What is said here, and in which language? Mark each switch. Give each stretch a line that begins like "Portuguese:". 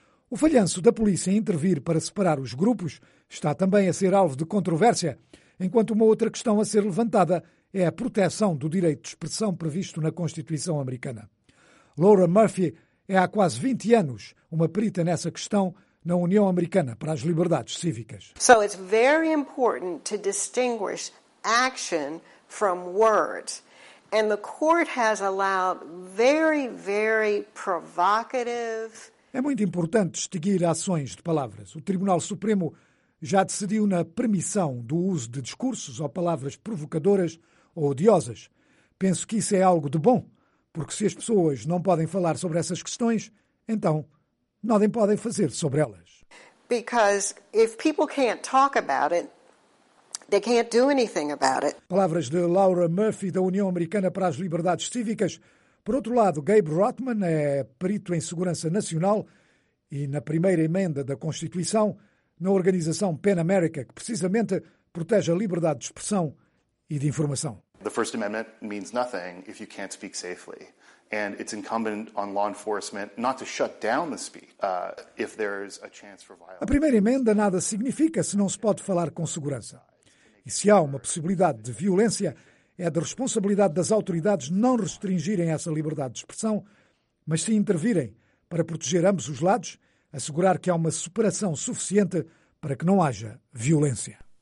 Portuguese: O falhanço da polícia em intervir para separar os grupos está também a ser alvo de controvérsia, enquanto uma outra questão a ser levantada é a proteção do direito de expressão previsto na Constituição americana. Laura Murphy é há quase 20 anos uma perita nessa questão na União Americana para as Liberdades Cívicas.
English: So it's very important to distinguish action from words. And the court has allowed very, very provocative...
Portuguese: É muito importante distinguir ações de palavras. O Tribunal Supremo já decidiu na permissão do uso de discursos ou palavras provocadoras ou odiosas. Penso que isso é algo de bom, porque se as pessoas não podem falar sobre essas questões, então nada podem fazer sobre elas.
English: Because if people can't talk about it, they can't do anything about it.
Portuguese: Palavras de Laura Murphy, da União Americana para as Liberdades Cívicas. Por outro lado, Gabe Rotman é perito em Segurança Nacional e na primeira emenda da Constituição, na organização PEN America, que precisamente protege a liberdade de expressão e de informação.
English: The First Amendment means nothing if you can't speak safely. And it's incumbent on law enforcement not to shut down the speech if there's a chance for violence.
Portuguese: A primeira emenda nada significa se não se pode falar com segurança. E se há uma possibilidade de violência, é da responsabilidade das autoridades não restringirem essa liberdade de expressão, mas sim intervirem para proteger ambos os lados, assegurar que há uma separação suficiente para que não haja violência.